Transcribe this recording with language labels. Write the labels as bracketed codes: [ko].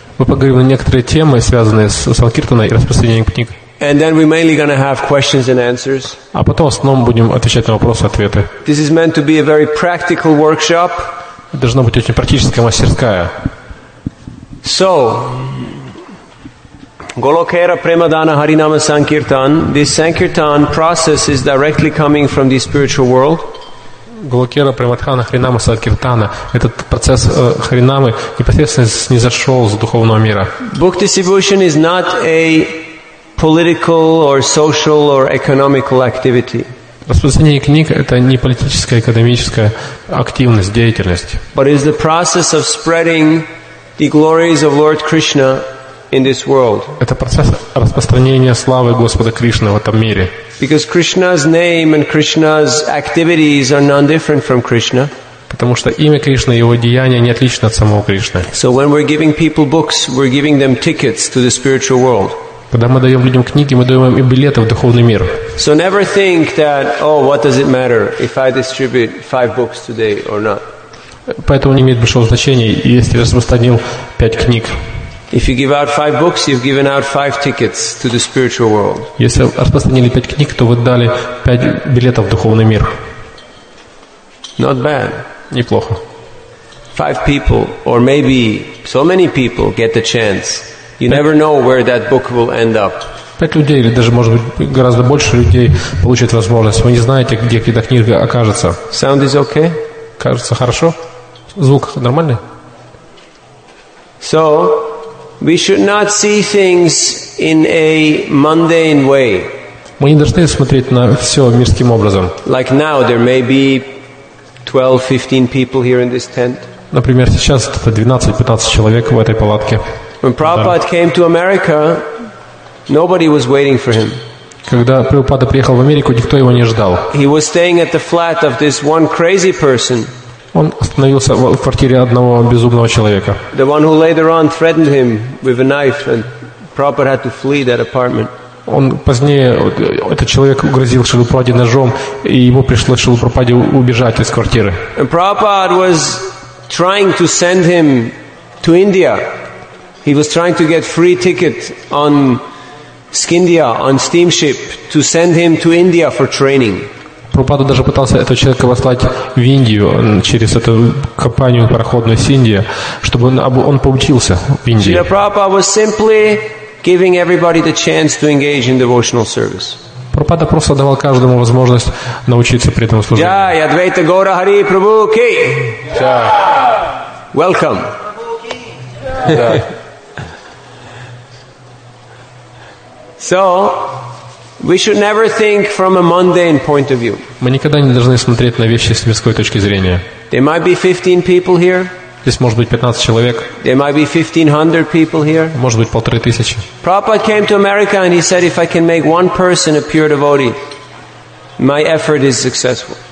[ru] Мы поговорим на некоторые темы, связанные с Санкиртаной и распространением книг. [en] And then we're mainly going to have questions and answers. [ru] А потом в основном будем отвечать на вопросы-ответы. [en] This is meant to be a very practical workshop. [ru] Это должно быть очень практическая мастерская. [en] So, Golokera Premadana Harinama Sankirtan. This Sankirtan process is directly coming from the spiritual world. [ru] Голокера Приматхана Харинама Садхиртана. Этот процесс Харинамы непосредственно не зашел с духовного мира. [en] Book distribution is not a political or social or economical activity. [ru] Распространение книг — это не политическая, экономическая активность, деятельность. [en] But it is the process of spreading the glories of Lord Krishna in this world. [ru] Это процесс распространения славы Господа Кришны в этом мире. [en] Because Krishna's name and Krishna's activities are none different from Krishna. [ru] Потому что имя Кришны и его деяния не отличны от самого Кришны. [en] So when we're giving people books, we're giving them tickets to the spiritual world. [ru] Когда мы даем людям книги, мы даем им билеты в духовный мир. [en] So never think that, oh, what does it matter if I distribute 5 books today or not? [ru] Поэтому не имеет большого значения, если я распространил 5 книг. [en] If you give out 5 books, you've given out 5 tickets to the spiritual world. [ru] Если распространили 5 книг, то вы дали 5 билетов в духовный мир. [en] Not bad. [ru] Неплохо. [en] 5 people, or maybe so many people, get the chance. You never know where that book will end up. [ru] 5 людей, или даже, может быть, гораздо больше людей получат возможность. Вы не знаете, где эта книга окажется. [en] Sound is okay? [ru] Кажется, хорошо. Звук нормальный? [en] So, we should not see things in a mundane way. [ru] Мы не должны смотреть на все мирским образом. [en] Like now, there may be 12-15 people here in this tent. [ru] Например, сейчас это 12-15 человек в этой палатке. [en] When Prabhupada came to America, nobody was waiting for him. [ru] Когда Прабхупада приехал в Америку, никто его не ждал. [en] He was staying at the flat of this one crazy person. [ru] Он остановился в квартире одного безумного человека. [en] The one who later on threatened him with a knife, and Prabhupada had to flee that apartment. [ru] Он позднее, этот человек угрозил Шилупраде ножом, и ему пришлось Шилупраде убежать из квартиры. [en] And Prabhupada was trying to send him to India. He was trying to get free ticket on Skindia, on steamship, to send him to India for training. [ru] Прабхупада даже пытался этого человека послать в Индию через эту компанию пароходную с Индии, чтобы он поучился в Индии. [en] Шрила Прабхупада was simply giving everybody the chance to engage in devotional service. [ru] Прабхупада просто давал каждому возможность научиться при этом служению. [en] Jai Advaita Gaura Hari Prabhu Ki! Welcome! So, we should never think from a mundane point of view. [ru] Мы никогда не должны смотреть на вещи с мирской точки зрения. [en] There might be 15 people here. [ru] Здесь может быть 15 человек. [en] There might be 1500 people here. [ru] Может быть 1500. [en] Prabhupada came to America and he said, if I can make one person a pure devotee, my effort is successful.